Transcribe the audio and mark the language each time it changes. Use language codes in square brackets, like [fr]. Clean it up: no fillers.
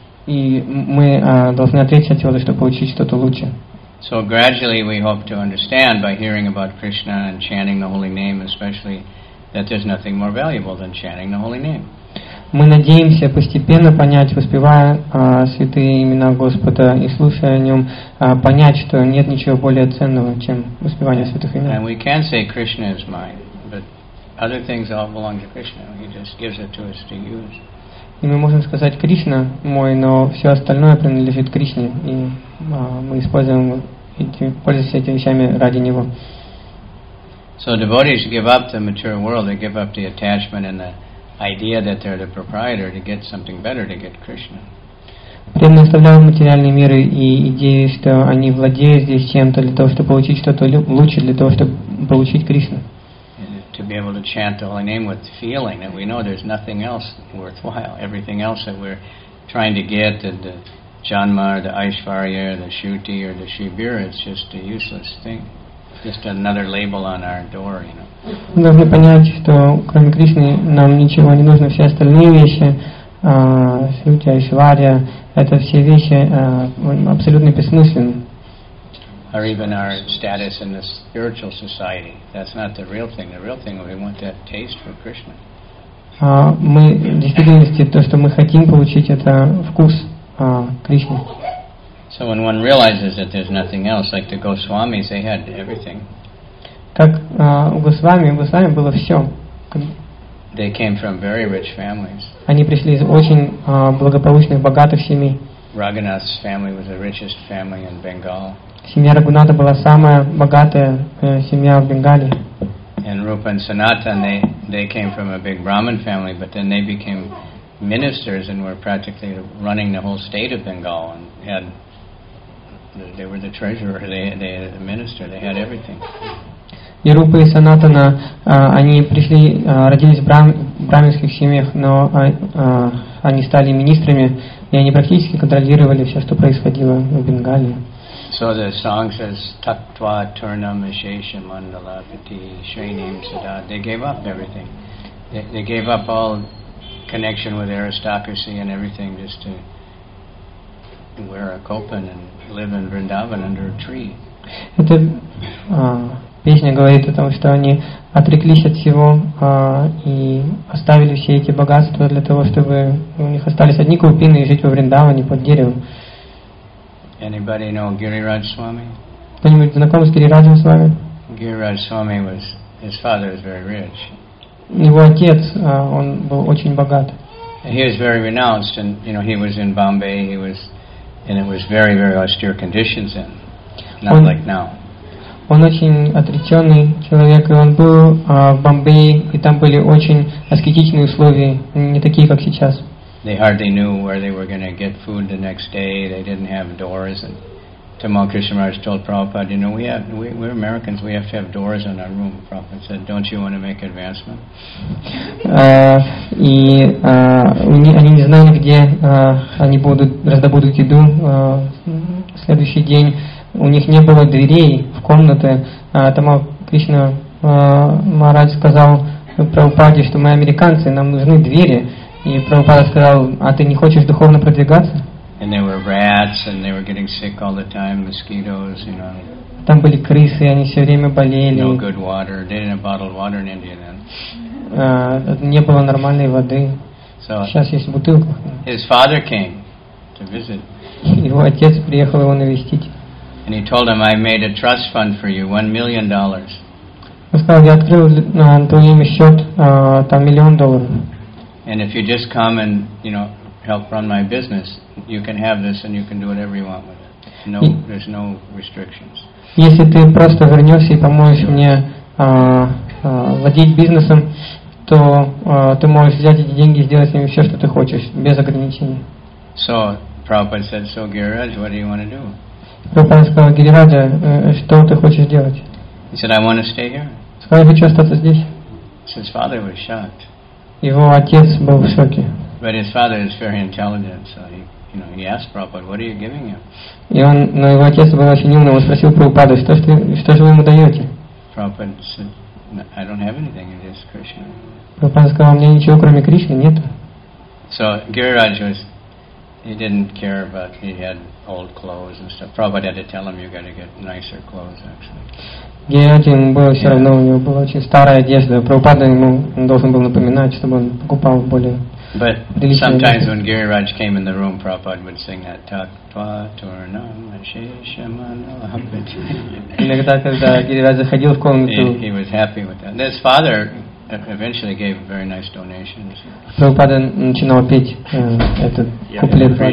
[ru] И мы должны ответить его, чтобы получить что-то лучше. [en] So gradually we hope to understand by hearing about Krishna and chanting the holy name, especially that there's nothing more valuable than chanting the holy name. [ru] Мы надеемся постепенно понять, воспевая святые имена Господа и слушая о нем, понять, что нет ничего более ценного, чем воспевание святых имен. [en] And we can say Krishna is mine, but other things all belong to Krishna. He just gives it to us to use. [ru] И мы можем сказать Кришна мой, но все остальное принадлежит Кришне, и мы используем эти, пользуемся этими вещами ради Него. [en] So devotees give up the material world, they give up the attachment and the idea that they're the proprietor to get something better, to get Krishna. [ru] Преданные оставляют материальные миры и идею, что они владеют здесь чем-то для того, чтобы получить что-то лучше, для того, чтобы получить Кришну. [en] To be able to chant the holy name with feeling that we know there's nothing else worthwhile. Everything else that we're trying to get, the Janma, the Aishwarya, the Shruti, or the Shibira, it's just a useless thing. Just another label on our door, you know. [ru] Мы должны понять, что кроме Кришны нам ничего не нужно. Все остальные вещи, Шрути, Айшварья, это все вещи абсолютно бессмысленны. [en] Or even our status in the spiritual society. That's not the real thing. The real thing, we want that taste for Krishna. [ru] Мы в действительности, то, что мы хотим получить, это вкус Кришны. [en] So when one realizes that there's nothing else, like the Goswamis, they had everything. [ru] Как у Госвами было все. [en] They came from very rich families. [ru] Они пришли из очень благополучных, богатых семей. [en] Raghunath's family was the richest family in Bengal. [ru] Семья Рагунатха была самая богатая семья в Бенгале. [en] And Rupa and Sanatan, they came from a big Brahmin family, but then they became ministers and were practically running the whole state of Bengal and had, they were the treasurer, they had the minister, they had everything. [ru] И Рупа и Санатана, они пришли, родились в брахминских семьях, но они стали министрами, и они практически контролировали все, что происходило в Бенгале. [en] So the song says [sa] Taktva Turnam Ashesha Mandala Piti Shrinim Sada. [en] They gave up everything. They gave up all connection with aristocracy and everything just to wear a kopan and live in Vrindavan under a tree. [ru] Эта песня говорит о том, что они отреклись от всего и оставили все эти богатства для того, чтобы у них остались одни купины и жить во Вриндаване под деревом. [en] Anybody know Giriraj Swami? [ru] Кто-нибудь знаком с Гирираджем Свами? [en] Giriraj Swami was, his father was very rich. [ru] Его отец, он был очень богат. [en] And he was very renounced, and you know, he was in Bombay, he was, and it was very, very austere conditions then, not [ru] он, [en] like now. [ru] Он очень отреченный человек, и он был в Бомбее, и там были очень аскетичные условия, не такие, как сейчас. [en] They hardly knew where they were going to get food the next day. They didn't have doors. And Tamal Krishna Maharaj told Prabhupada, you know, we're Americans. We have to have doors in our room. Prabhupada said, don't you want to make advancement? [ru] Они не знали, где они будут раздобудут еду следующий день. У них не было дверей в комнаты. Тамал Кришна Маарадж сказал Прабхупаде, что мы американцы, нам нужны двери. И Прабхупада сказал, а ты не хочешь духовно продвигаться? [en] Time, you know. [ru] Там были крысы, они все время болели. [en] No good water. They didn't have bottled water in India then. [ru] Не было нормальной воды. [en] So [ru] сейчас есть бутылка. [en] His father came to visit. [ru] Его отец приехал его навестить. [en] And he told him, I made a trust fund for you, $1 million. [ru] Он сказал, я открыл на твоем счет там $1 million. [en] And if you just come and, you know, help run my business, you can have this and you can do whatever you want with it. No, there's no restrictions. [ru] Если ты просто вернешься и поможешь мне владеть бизнесом, то ты можешь взять эти деньги и сделать с ними все, что ты хочешь, без ограничений. [en] So, Prabhupada said, so Giriraj, what do you want to do? [ru] Prabhupada сказал, Giriraj, что ты хочешь делать? [en] He said, I want to stay here. [ru] Сказал, хочу остаться здесь. [en] His father was shocked. [ru] Его отец был в шоке. [en] But his father is very intelligent, so he, you know, he asked Prabhupada, "What are you giving him?" [ru] Но его отец был очень умный. Он спросил Прабхупаду, что же вы ему даете? [en] Prabhupada said, "I don't have anything. It is Krishna." [ru] Прабхупада сказал, у меня ничего кроме Кришны нет. [en] So Giriraj was He didn't care, but he had old clothes and stuff. Prabhupada had to tell him, you've got to get nicer clothes, actually. [ru] Геодин был все равно, у него была очень старая одежда. Прабхупада ему должен был напоминать, чтобы он покупал более приличные. [en] But sometimes when Giri Raj came in the room, Prabhupada would sing that [sa] Tattva Turnam Ashishamanohapati. [ru] Иногда, когда Гири Радж заходил в комнату, [en] he was happy with that. And his father eventually gave very nice donations. [ru] Прабхупада начинал петь этот куплет.